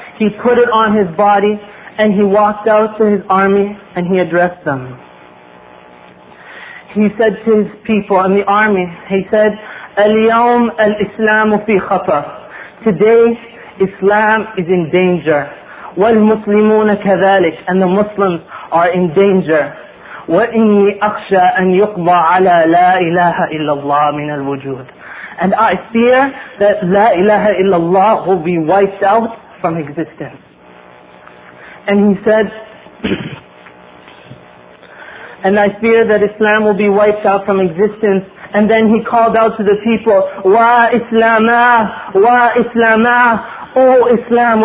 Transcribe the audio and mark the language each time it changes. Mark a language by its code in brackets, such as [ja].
[en] He put it on his body, and he walked out to his army and he addressed them. He said to his people and the army, he said, [ar] اليوم الإسلام في خطر. [en] Today Islam is in danger. [ar] والمسلمون كذلك. [en] And the Muslims are in danger. [ar] وإني أخشى أن يقضى على لا إله إلا الله من الوجود. [en] And I fear that لا إله إلا الله will be wiped out from existence. And he said, and I fear that Islam will be wiped out from existence. And then he called out to the people, Wa Islama, Wa Islama, O Islam.